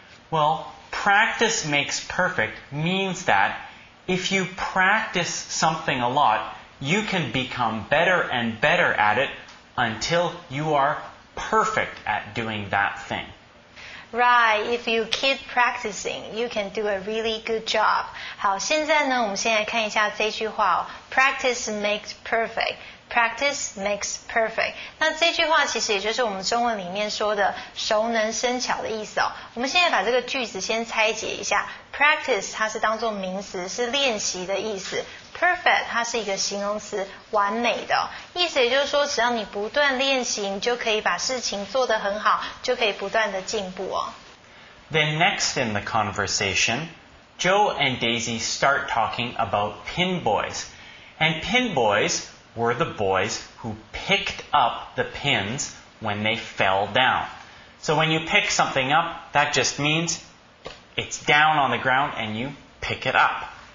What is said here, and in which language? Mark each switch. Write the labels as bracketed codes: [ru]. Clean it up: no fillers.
[en] Well, practice makes perfect means that if you practice something a lot, you can become better and better at it until you are perfect at doing that thing. Right, if you keep practicing, you can do a really good job. [zh] 好，现在呢，我们先来看一下这句话哦。 [en] Practice makes perfect. Practice makes perfect. [zh] 那这句话其实也就是我们中文里面说的熟能生巧的意思哦。我们现在把这个句子先拆解一下。Practice 它是当作名词，是练习的意思。 Perfect 它是一个形容词，完美的、哦、意思，也就是说只要你不断练习，你就可以把事情做得很好，就可以不断的进步哦。 [en] Then next in the conversation, Joe and Daisy start talking about pin boys. And pin boys were the boys who picked up the pins when they fell down. So when you pick something up, that just means it's down on the ground and you pick it up.